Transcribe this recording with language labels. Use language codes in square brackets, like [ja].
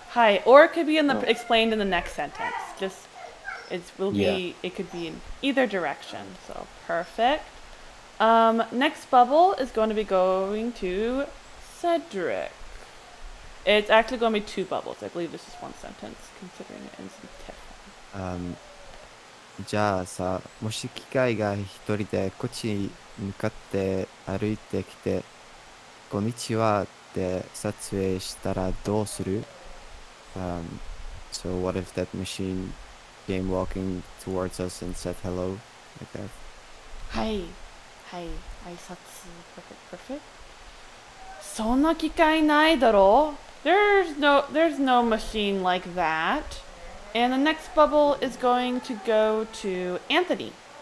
[en] Hi, or it could be in the explained in the next sentence. Just it will be it could be in either direction. So perfect. Next bubble is going to be going to Cedric. It's actually going to be two bubbles. I believe this is one sentence, considering it ends in tiff. [ja] じゃあさ、もし機械が一人でこっちに向かって歩いてきて、こんにちはって撮影したらどうする？ [en] So what if that machine came walking towards us and said hello like that? [ja] はい、挨拶、perfect. そんな機械ないだろう。 [en] There's no machine like that. And the next bubble is going to go to Anthony.